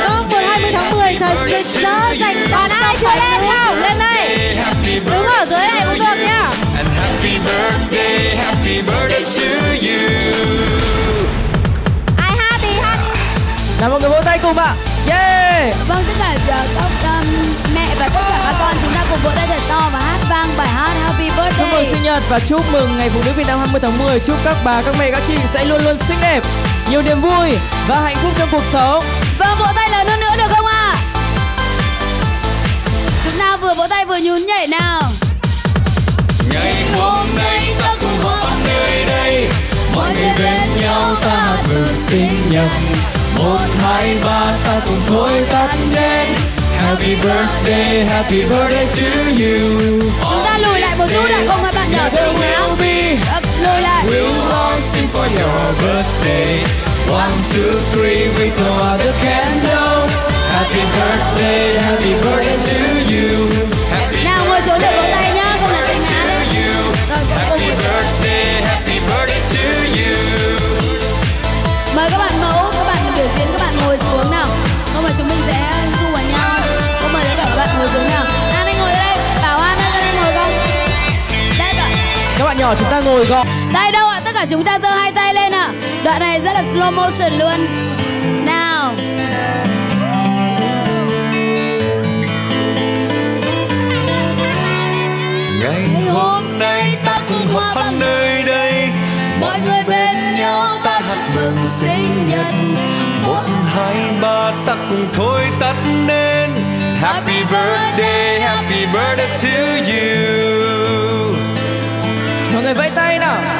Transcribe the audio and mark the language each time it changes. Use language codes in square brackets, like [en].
[vi] Vâng, 20 tháng 10 thật rực rỡ dành cho các ai chưa em không? Lên đây. Đứng ở dưới này cũng được nhá. [en] And happy birthday, happy birthday to you. [vi] Ai hát đi hát. Nào mọi người vỗ tay cùng ạ. [en] Yeah. [vi] Vâng, tất cả mẹ và tất cả các con chúng ta cùng vỗ tay thật to và hát vang bài hát Happy Birthday. Chúc mừng sinh nhật và chúc mừng ngày Phụ nữ Việt Nam 20 tháng 10. Chúc các bà, các mẹ, các chị sẽ luôn luôn xinh đẹp, nhiều niềm vui và hạnh phúc trong cuộc sống. Vâng, vỗ tay lớn hơn nữa được không ạ? Chúng ta vừa vỗ tay vừa nhún nhảy nào. Ngày hôm nay ta cùng hoa ở nơi đây. Mọi người bên nhau ta mừng sinh nhật. 1, 2, 3 ta cùng thôi tắt đèn. [en] Happy birthday, happy birthday to you. [vi] Chúng ta lùi lại một chút ạ, không phải bạn nhỏ tình nào. Lùi lại. [en] We'll all sing for your birthday. 1, 2, 3, we blow out the candles. Happy birthday, happy birthday to you. Happy [vi] nào, ngồi xuống để vỗ tay nhá, không là tình nào đấy. [en] Happy birthday, happy birthday to you. [vi] Mời các bạn mẫu, các bạn biểu diễn, các bạn ngồi xuống nào. Không phải chúng mình sẽ du vào nhau. Không phải tất cả các bạn ngồi xuống nào. Anh ngồi đây, Bảo An ơi, anh ngồi không? Đây ạ. Các bạn nhỏ chúng ta ngồi gọn. Đây đâu ạ, tất cả chúng ta giơ hai tay lên ạ. Đoạn này rất là slow motion luôn. Nào. Ngày hôm nay ta cùng hòa vang nơi đây. Mọi người bên nhau ta chúc mừng sinh nhật. 1, 2, 3 ta cùng thôi tắt nên. [en] Happy birthday, happy birthday to you. [vi] Mọi người vẫy tay nào.